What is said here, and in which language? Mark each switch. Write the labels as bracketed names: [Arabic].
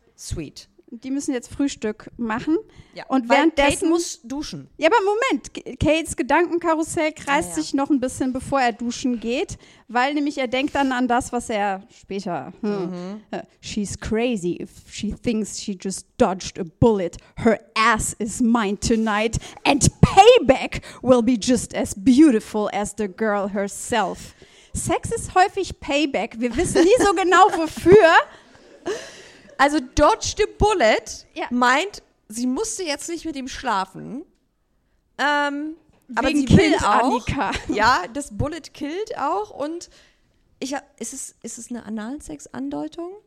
[English] sweet. [German] Die müssen jetzt Frühstück machen. Ja, und währenddessen Kate muss duschen. Ja, aber Moment, Kates Gedankenkarussell kreist sich noch ein bisschen, bevor er duschen geht, weil nämlich er denkt dann an das, was er später... [English] She's crazy if she thinks she just dodged a bullet. Her ass is mine tonight and payback will be just as beautiful as the girl herself. [German] Sex ist häufig Payback. Wir wissen nie so genau, wofür... Also [English] Dodge the Bullet [German] meint, sie musste jetzt nicht mit ihm schlafen. Aber sie killt Annika. Ja, das Bullet killt auch. Und ich ist es eine Analsex-Andeutung?